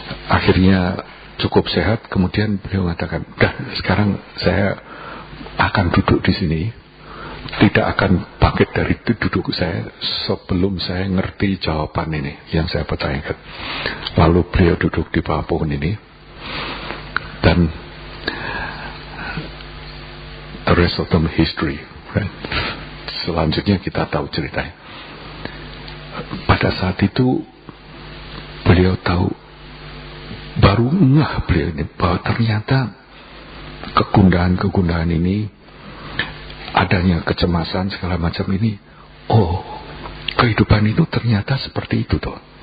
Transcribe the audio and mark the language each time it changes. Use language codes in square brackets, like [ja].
[id] Akhirnya cukup sehat. Kemudian beliau mengatakan, dah, sekarang saya akan duduk di sini. Tidak akan bangkit dari duduk saya sebelum saya ngerti jawaban ini yang saya pertanyakan. Lalu beliau duduk di bawah pohon ini. [en] Dan the rest of them history, right? [id] Selanjutnya kita tahu ceritanya. Pada saat itu beliau tahu, baru ngah beliau ini, bahwa ternyata kegundahan-kegundahan ini, adanya kecemasan segala macam ini, oh, kehidupan itu ternyata seperti itu toh.